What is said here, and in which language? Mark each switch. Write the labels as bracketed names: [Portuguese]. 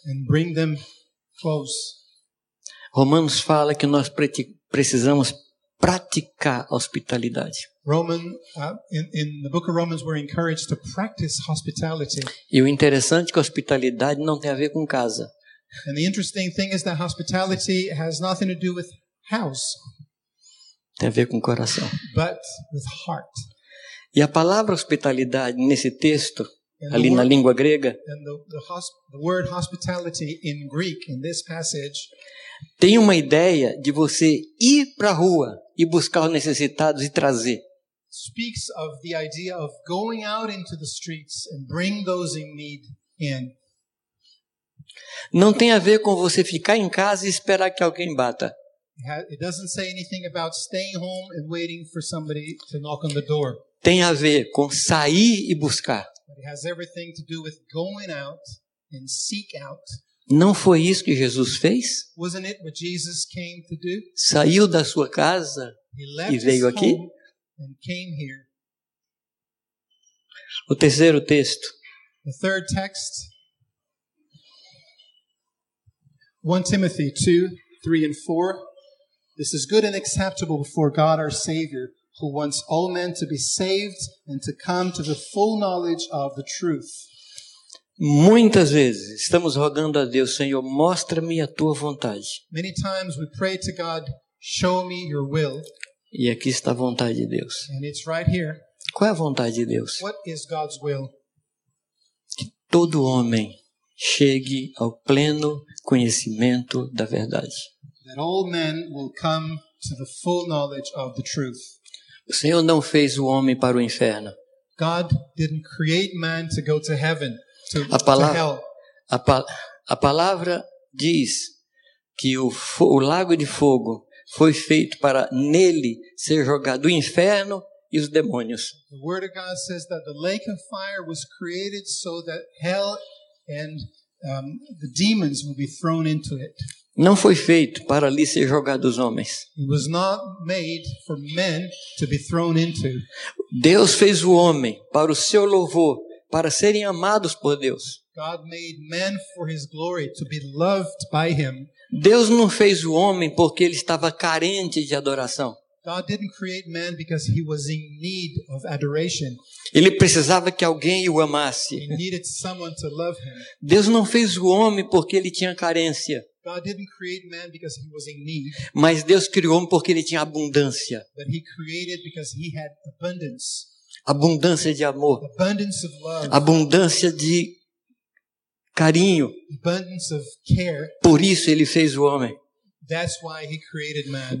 [English] And bring them close. [Portuguese] Romanos fala que nós precisamos praticar hospitalidade. [English] In the book of Romans, we're encouraged to practice hospitality. [Portuguese] E o interessante é que hospitalidade não tem a ver com casa. [English] And the interesting thing is that hospitality has nothing to do with house. [Portuguese] Tem a ver com coração. [English] But with heart. [Portuguese] E a palavra hospitalidade nesse texto, ali na língua grega, [English] the word hospitality in Greek, in this passage, [Portuguese] tem uma ideia de você ir para a rua e buscar os necessitados e trazer. [English] Speaks of the idea of going out into the streets and bring those in need in. [Portuguese] Não tem a ver com você ficar em casa e esperar que alguém bata. [English] It doesn't say anything about staying home and waiting for somebody to knock on the door. [Portuguese] Tem a ver com sair e buscar. [English] But it has everything to do with going out and seek out. [Portuguese] Não foi isso que Jesus fez? [English] Wasn't it what Jesus came to do? [Portuguese] Saiu da sua casa [English] he left [Portuguese] e veio [English] his [Portuguese] aqui? [English] Home and came here. [Portuguese] O terceiro texto. [English] The third text. 1 Timothy 2, 3 and 4. This is good and acceptable before God our Savior, who wants all men to be saved and to come to the full knowledge of the truth. [Portuguese] Muitas vezes estamos rogando a Deus, Senhor, mostra-me a tua vontade. [English] Many times we pray to God, show me your will. [Portuguese] E aqui está a vontade de Deus. [English] And it's right here. [Portuguese] Qual é a vontade de Deus? [English] What is God's will? [Portuguese] Que todo homem chegue ao pleno conhecimento da verdade. [English] That all men will come to the full knowledge of the truth. [Portuguese] O Senhor não fez o homem para o inferno. [English] God didn't create man to go to heaven, to hell. [Portuguese] A palavra diz que o lago de fogo foi feito para nele ser jogado o inferno e os demônios. [English] The word of God says that the lake of fire was created so that hell and the demons will be thrown into it. [Portuguese] Não foi feito para ali ser jogado os homens. [English] It was not made for men to be thrown into. [Portuguese] Deus fez o homem para o seu louvor, para serem amados por Deus. [English] God made men for his glory, to be loved by him. [Portuguese] Deus não fez o homem porque ele estava carente de adoração. [English] God didn't create man because he was in need of adoration. [Portuguese] Ele precisava que alguém o amasse. [English] He needed someone to love him. [Portuguese] Deus não fez o homem porque ele tinha carência. [English] God didn't create man because he was in need. [Portuguese] Mas Deus criou o homem porque ele tinha abundância. [English] But he created because he had abundance. [Portuguese] Abundância de amor. [English] Abundance of love. [Portuguese] Abundância de carinho. [English] Abundance of care. [Portuguese] Por isso ele fez o homem. [English] That's why he created man.